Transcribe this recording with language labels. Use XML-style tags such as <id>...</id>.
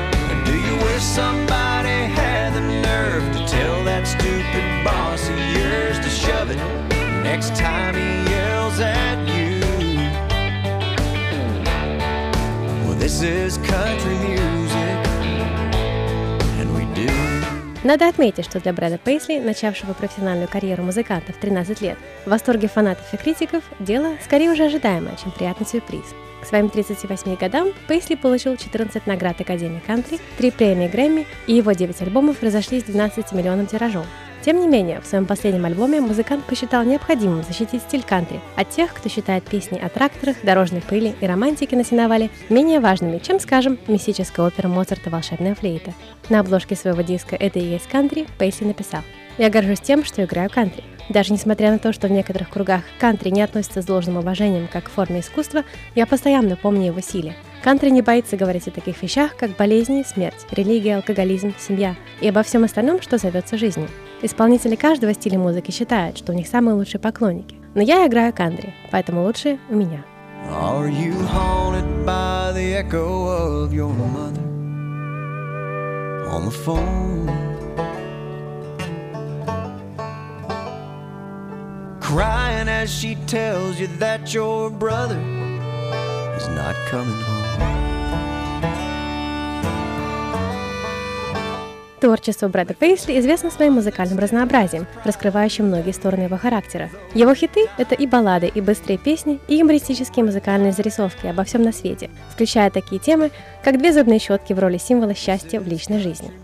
<en>And do you wish somebody had the nerve to tell that stupid boss of yours to shove it next time he yells at you? Well, this is country music, and we do.</en> <ru>Надо отметить, что для Брэда Пейсли, начавшего профессиональную карьеру музыканта в 13 лет, в восторге фанатов и критиков, дело скорее уже ожидаемое, чем приятный сюрприз. К своим 38 годам Пейсли получил 14 наград Академии Кантри, 3 премии Грэмми, и его 9 альбомов разошлись 12 миллионов тиражом. Тем не менее, в своем последнем альбоме музыкант посчитал необходимым защитить стиль кантри от тех, кто считает песни о тракторах, дорожной пыли и романтике на сеновале менее важными, чем, скажем, мистическая опера Моцарта «Волшебная флейта». На обложке своего диска «Это и есть кантри» Пейсли написал: «Я горжусь тем, что играю кантри. Даже несмотря на то, что в некоторых кругах кантри не относится с должным уважением как к форме искусства, я постоянно помню его силе. Кантри не боится говорить о таких вещах, как болезни, смерть, религия, алкоголизм, семья и обо всем остальном, что зовется жизнью. Исполнители каждого стиля музыки считают, что у них самые лучшие поклонники. Но я играю кантри, поэтому лучшие у меня».</ru> <en>Are you haunted by the echo of your mother on the phone? Crying as she tells you that your brother is not coming home.</en> <ru>Творчество Брэда Пейсли известно своим музыкальным разнообразием, раскрывающим многие стороны его характера. Его хиты — это и баллады, и быстрые песни, и юмористические музыкальные зарисовки обо всем на свете, включая такие темы, как две зубные щетки в роли символа счастья в личной жизни.</ru>